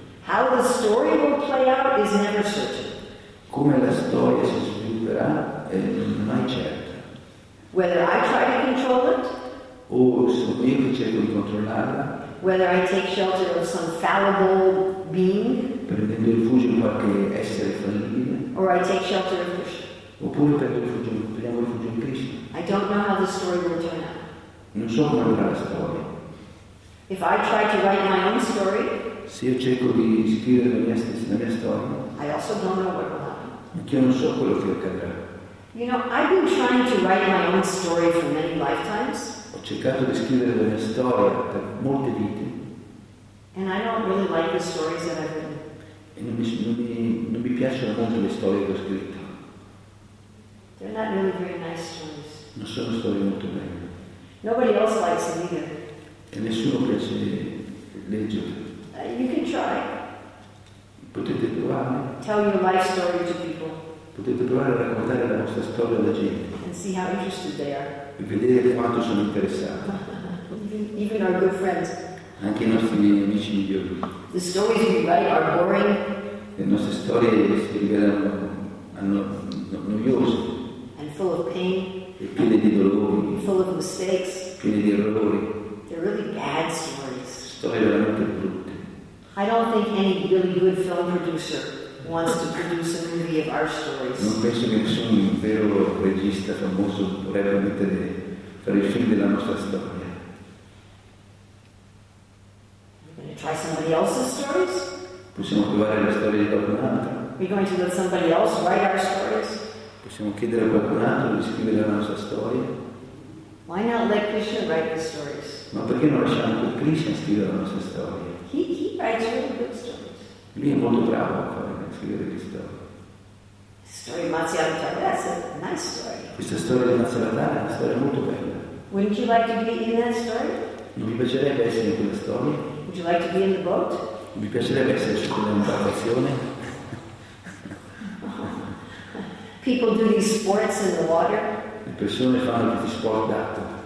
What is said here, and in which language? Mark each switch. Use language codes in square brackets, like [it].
[en] How the story will play out is never certain. [it] Come la storia si svilupperà è mai certo. [en] Whether I try to control it. [it] O sono io che cerco di controllarla. [en] Whether I take shelter of some fallible being. [it] Prendendo rifugio in qualche essere fallibile. [en] Or I take shelter of Krishna. [it] Oppure prendiamo rifugio in Krishna. [en] I don't know how the story will turn out. [it] Non so come andrà la storia. [en] If I try to write my own story. [it] Se io cerco di scrivere la mia storia. [en] I also don't know what will happen. [it] Anch'io non so quello che accadrà. [en] You know, I've been trying to write my own story for many lifetimes. [it] Ho cercato di scrivere la mia storia per molte vite. [en] And I don't really like the stories that I've written. [it] E non mi piacciono molto le storie che ho scritto. [en] They're not really very nice stories. [it] Non sono storie molto belle. [en] Nobody else likes them either. [it] E nessuno piace leggere. [en] You can try. [it] Potete provare. [en] Tell your life story to people. [it] Potete provare a raccontare la vostra storia alla gente. [en] And see how interested they are. [it] E vedere quanto sono interessati. [en] Even our good friends. [it] Anche i nostri amici migliori. [en] The stories we write are boring. [it] Le nostre storie si rivelano noiose. [en] And full of pain. [it] E piene di dolori. [en] Full of mistakes. [it] Piene di errori. [en] They're really bad stories. [it] Storie veramente brutte. [en] I don't think any really good film producer wants to produce a movie of our stories. [it] Non penso che nessun vero regista famoso vorrebbe mettere fare il film della nostra storia. [en] Try somebody else's stories? [it] Possiamo provare la storia di qualcun altro? [en] We're going to let somebody else write our stories? [it] Possiamo chiedere a qualcun altro di scrivere la nostra storia? [en] Why not let Krishna write the stories? [it] Ma perché non lasciamo che Krishna scriva la nostra storia? [en] He writes really good stories. [it] Lui è molto bravo a scrivere le storie. [en] Story of Matsyavatara, that's a nice story. [it] Questa storia di Matsyavatara è una storia molto bella. [en] Wouldn't you like to be in that story? [it] Non vi piacerebbe essere in quella storia? [en] Would you like to be in the boat? [it] Mi piacerebbe esserci con un'imbarcazione. [en] People do these sports in the water. [it] Le persone fanno questi sport d'acqua.